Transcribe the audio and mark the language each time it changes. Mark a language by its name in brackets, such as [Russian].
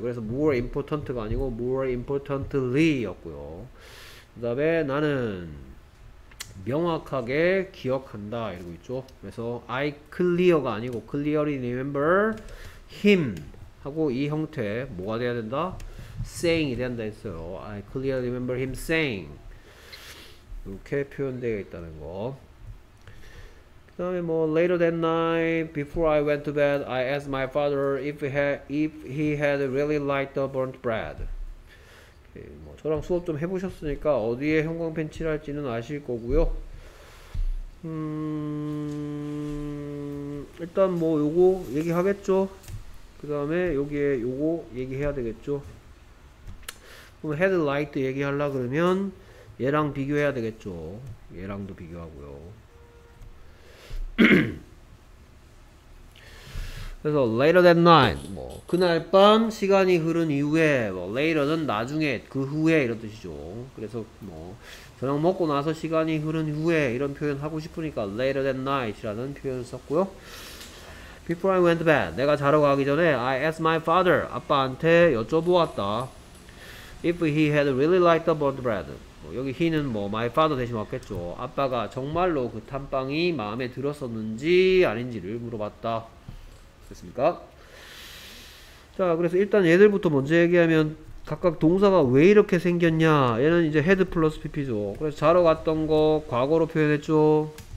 [Korean] 그래서 [English] more important [Korean] 가 아니고 [English] more importantly [Korean] 였고요 그 다음에 나는 명확하게 기억한다 이러고 있죠. 그래서 [English] I clear [Korean] 가 아니고 [English] clearly remember him [Korean] 하고 이 형태 뭐가 돼야 된다? [English] saying [Korean] 이 된다 했어요. [English] I clearly remember him saying. [Korean] 이렇게 표현되어 있다는 거. 그 다음에 뭐 [English] later that night, before I went to bed, I asked my father if he had really liked the burnt bread. [Korean] 뭐 저랑 수업 좀 해보셨으니까 어디에 형광펜 칠할지는 아실 거고요. 일단 뭐 요거 얘기하겠죠. 그 다음에 여기에 요거 얘기해야 되겠죠. 그럼 head light 얘기하려 그러면 얘랑 비교해야 되겠죠. 얘랑도 비교하고요. 그래서 [English] later that night [Korean] 뭐 그날 밤 시간이 흐른 이후에 뭐 later는 나중에 그 후에 이런 뜻이죠. 그래서 뭐 저녁 먹고 나서 시간이 흐른 후에 이런 표현 하고 싶으니까 [English] later than night [Korean] 라는 표현을 썼고요. [English] Before I went to bed, [Korean] 내가 자러 가기 전에 [English] I asked my father, [Korean] 아빠한테 여쭤보았다. [English] If he had really liked the burnt bread. [Korean] 여기 he는 뭐 [English] my father [Korean] 대신 왔겠죠. 아빠가 정말로 그 탄빵이 마음에 들었었는지 아닌지를 물어봤다. 됐습니까? 자, 그래서 일단 얘들부터 먼저 얘기하면 각각 동사가 왜 이렇게 생겼냐. 얘는 이제 head 플러스 pp죠. 그래서 자러 갔던 거 과거로 표현했죠.